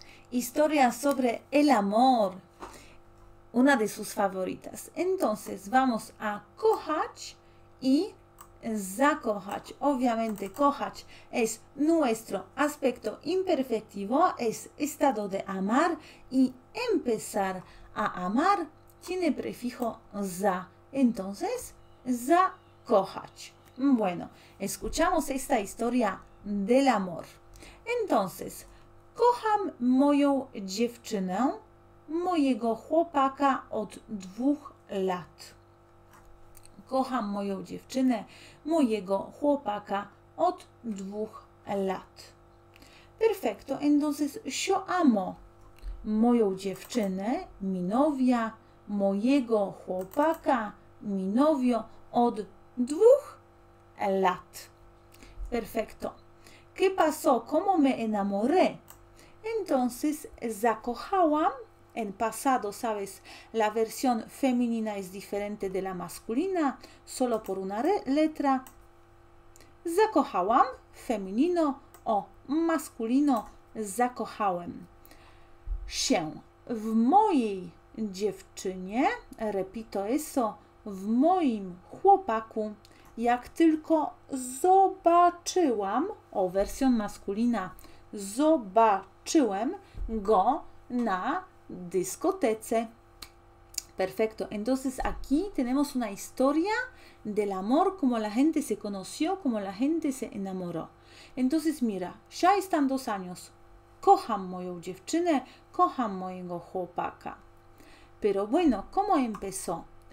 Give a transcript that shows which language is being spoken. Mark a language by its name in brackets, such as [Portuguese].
[Spanish] historia sobre el amor, una de sus favoritas. Entonces vamos a Kochać y Zakochać. Obviamente, Kochać es nuestro aspecto imperfectivo, es estado de amar, y empezar a amar tiene prefijo za. Entonces, Zakochać. Bueno, escuchamos esta historia del amor. [Polish] Entonces, kocham moją dziewczynę, mojego chłopaka od 2 lat. Kocham moją dziewczynę, mojego chłopaka od 2 lat. [Spanish] Perfecto, entonces, yo amo [Polish] moją dziewczynę, [Spanish] mi novia, [Polish] mojego chłopaka, [Spanish] mi novio, [Polish] od 2 lat. [Spanish] Perfecto. ¿Qué pasó? ¿Cómo me enamoré? Entonces, zakochałam, en pasado, ¿sabes? La versión femenina es diferente de la masculina, solo por una letra. Zakochałam, femenino, o masculino, zakochałem. [Polish] Się w mojej dziewczynie, [Spanish] repito eso, [Polish] w moim chłopaku, jak tylko zobaczyłam, o wersją maskulina, zobaczyłem go na dyskotece. [Spanish] Perfecto. Entonces aquí tenemos una historia del amor, cómo la gente se conoció, cómo la gente se enamoró. Entonces mira, ya están 2 años. [Polish] Kocham moją dziewczynę, kocham mojego chłopaka. [Spanish] Pero bueno, ¿cómo empezó?